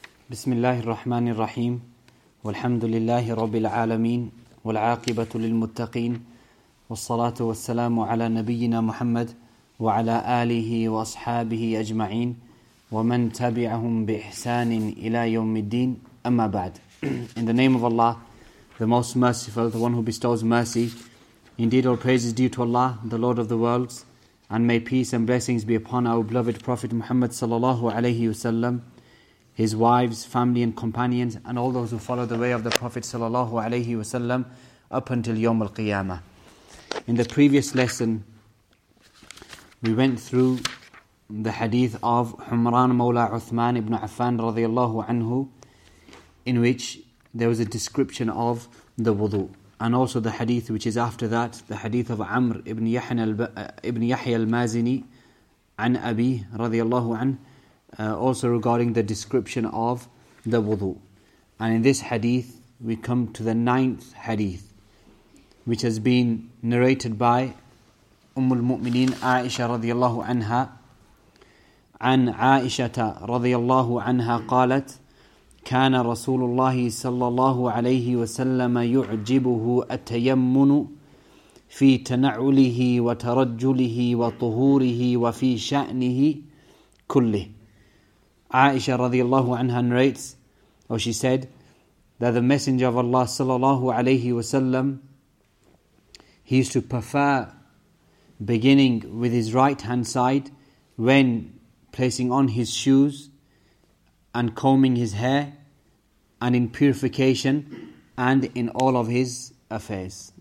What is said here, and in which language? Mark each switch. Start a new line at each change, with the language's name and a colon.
Arabic: بسم الله الرحمن الرحيم والحمد لله رب العالمين والعاقبة للمتقين والصلاة والسلام على نبينا محمد وعلى آله وأصحابه أجمعين ومن تبعهم بإحسان إلى يوم الدين أما بعد.
English: In the name of Allah, the most merciful, the one who bestows mercy. Indeed, all praise is due to Allah, the Lord of the worlds. And may peace and blessings be upon our beloved Prophet Muhammad sallallahu alayhi wasallam, his wives, family and companions, and all those who follow the way of the Prophet sallallahu alayhi wasallam up until Yawm al-Qiyamah. In the previous lesson, we went through the hadith of Humran Mawla Uthman ibn Affan radiyallahu anhu, in which there was a description of the wudu. And also the hadith which is after that, the hadith of Amr ibn Yahya al-Mazini an Abi radiyallahu anhu, also regarding the description of the wudu. And in this hadith, we come to the ninth hadith, which has been narrated by Ummul Mu'mineen Aisha radiyallahu anha.
Arabic: An Aishata radiyallahu anha qalat, كان رسول الله صلى الله عليه وسلم يعجبه التيمن في تنعله وترجله وطهوره وفي شأنه كله.
English: Aisha radiallahu anha narrates, or she said, that the Messenger of Allah sallallahu alayhi wasallam, he used to prefer beginning with his right hand side when placing on his shoes and combing his hair and in purification and in all of his affairs.